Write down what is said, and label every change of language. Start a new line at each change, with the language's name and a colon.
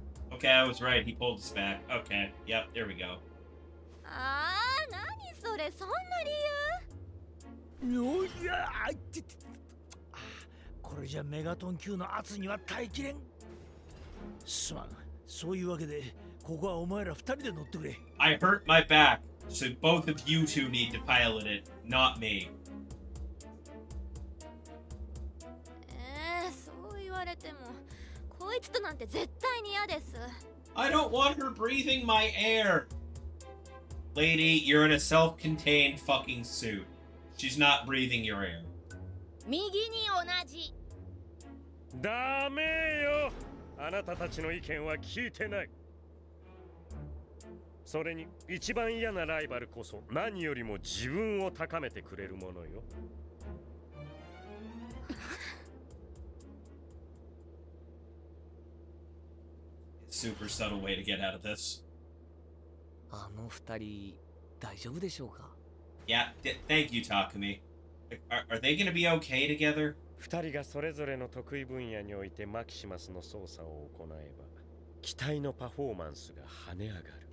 English: Okay, I was right. He pulled his back. Okay, yep, there we go.
Japanese: ああ、なにそれ、そんな理由？おいや、あいって、これじゃメガトン級の圧には耐えきれん。すまん、そういうわけで、ここはお前ら二人で乗ってくれ。
English: I hurt my back, so both of you two need to pilot it, not me.
Japanese: そう言われても、こいつとなんて絶対に嫌です。
English: I don't want her breathing my air! Lady, you're in a self-contained fucking suit. She's not breathing your air.
Japanese: 右に同じ。ダメよ。あなたたちの意見は聞いてない。それに一番嫌なライバルこそ何よりも自分を高めてくれるものよ。
English: Super subtle way to get out of this.
Japanese: あの二人大丈夫でしょうか？
English: Yeah, thank you, Takumi. Are they gonna be okay together?
Japanese: 二人がそれぞれの得意分野においてマキシマスの操作を行えば、機体のパフォーマンスが跳ね上がる。